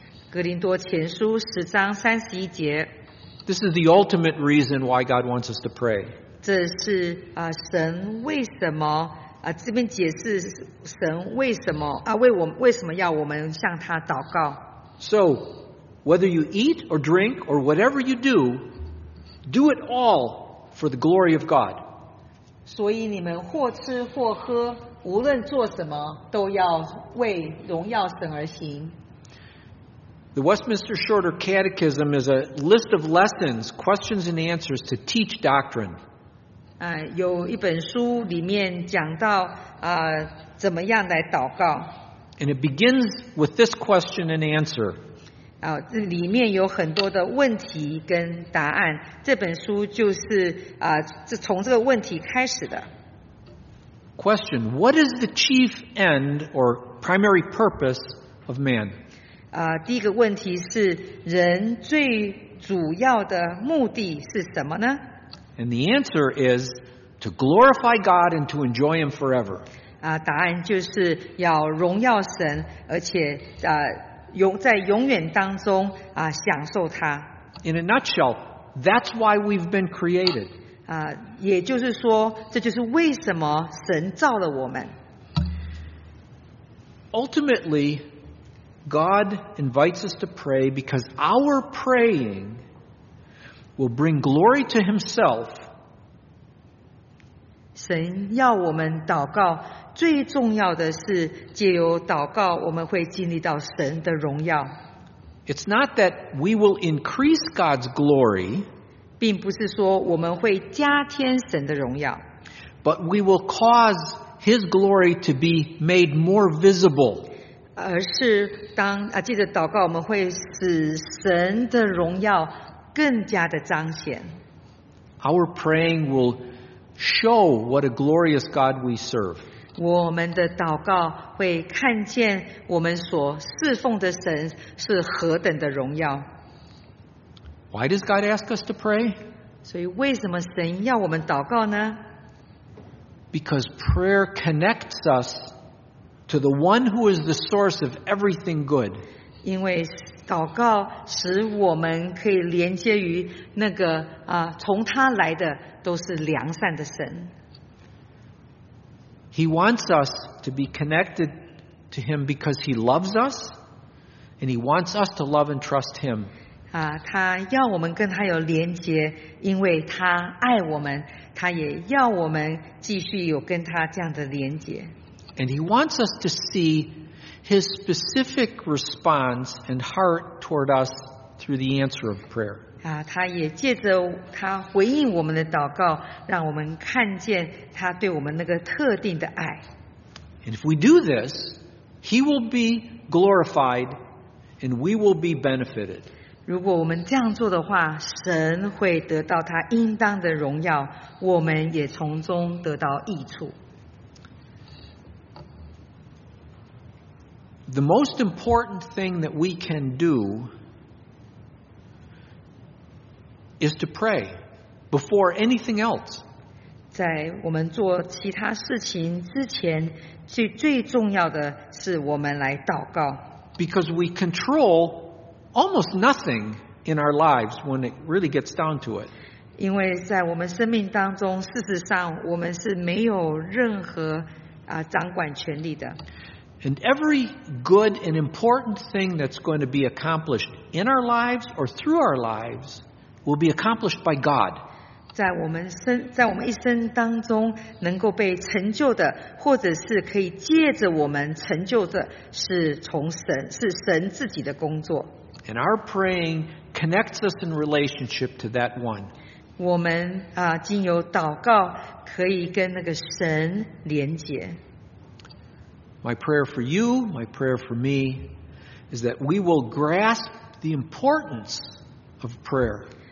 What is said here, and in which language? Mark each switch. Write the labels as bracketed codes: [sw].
[zh] 哥林多前书十章三十一节。 [en] This is the ultimate reason why God wants us to pray. [zh] 这是神为什么这边解释神为什么为什么要我们向他祷告。 [en] So, whether you eat or drink or whatever you do, do it all for the glory of God. [zh] 所以你们或吃或喝，无论做什么，都要为荣耀神而行。 [en] The Westminster Shorter Catechism is a list of lessons, questions and answers to teach doctrine. [zh] 有一本书里面讲到怎么样来祷告。 [en] And it begins with this question and answer. [zh] 这里面有很多的问题跟答案。这本书就是从这个问题开始的。 [en] Question, what is the chief end or primary purpose of man? [zh] 第一个问题是人最主要的目的是什么呢？ [en] And the answer is to glorify God and to enjoy Him forever. [zh] 答案就是要荣耀神，而且在永远当中享受他。 [en] In a nutshell, that's why we've been created. [zh] 也就是说，这就是为什么神造了我们。 [en] Ultimately, God invites us to pray because our praying. Will bring glory to himself. [zh] 神要我们祷告，最重要的是借由祷告，我们会经历到神的荣耀。 [en] It's not that we will increase God's glory, [zh] 并不是说我们会加添神的荣耀。 [en] But we will cause his glory to be made more visible. [zh] 而是当借着祷告，我们会使神的荣耀更加的彰显。 [en] Our praying will show what a glorious God we serve. [zh] 我们的祷告会看见我们所侍奉的神是何等的荣耀。 [en] Why does God ask us to pray? [zh] 所以为什么神要我们祷告呢？ [en] Because prayer connects us to the one who is the source of everything good. [zh] 因为祷告使我们可以连接于那个啊，从他来的都是良善的神。 [en] He wants us to be connected to him because he loves us, and he wants us to love and trust him. [zh] 他要我们跟他有连结，因为他爱我们，他也要我们继续有跟他这样的连结。 [en] And he wants us to see his specific response and heart toward us through the answer of prayer. [zh] 他也借着他回应我们的祷告，让我们看见他对我们那个特定的爱。 [en] And if we do this, he will be glorified and we will be benefited. [zh] 如果我们这样做的话，神会得到他应当的荣耀，我们也从中得到益处。 [en] The most important thing that we can do is to pray before anything else. [zh] 在我们做其他事情之前，最重要的是我们来祷告。 [en] Because we control almost nothing in our lives when it really gets down to it. [zh] 因为在我们生命当中，事实上我们是没有任何掌管权力的。 [en] And every good and important thing that's going to be accomplished in our lives or through our lives will be accomplished by God. [zh] 在我们一生当中能够被成就的，或者是可以借着我们成就的，是从神，是神自己的工作。 [en] And our praying connects us in relationship to that one. [zh] 我们经由祷告可以跟那个神连结。 [en] My prayer for you, my prayer for me, is that we will grasp the importance of prayer.